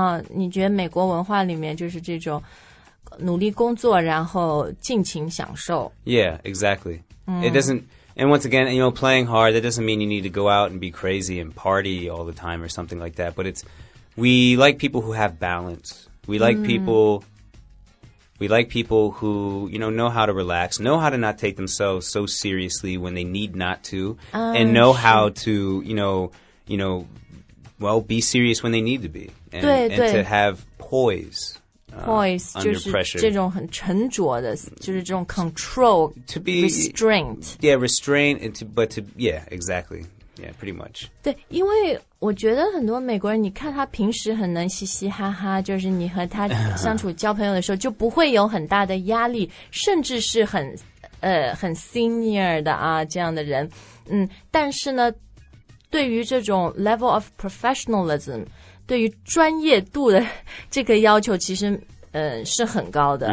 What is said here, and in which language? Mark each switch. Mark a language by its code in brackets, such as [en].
[zh] 你觉得美国文化里面就是这种努力工作然后尽情享受。 [en] Yeah, exactly.、It doesn't, and once again, you know, playing hard, that doesn't mean you need to go out and be crazy and party all the time or something like that. But it's, we like people who have balance. We like、people... We like people who, you know how to relax, know how to not take themselves so seriously when they need not to, and know how to, you know, well, be serious when they need to be, and to have poise, under pressure. [zh] 就是这种很沉着的，就是这种 control, [en] to be, restraint. Yeah, restraint, and to, but to, yeah, exactly. Yeah, pretty much. [zh] 对，因为我觉得很多美国人，你看他平时很能嘻嘻哈哈，就是你和他相处交朋友的时候，就不会有很大的压力，甚至是很 senior 的啊这样的人，但是呢，对于这种 [en] level of professionalism, [zh] 对于专业度的这个要求其实是很高的、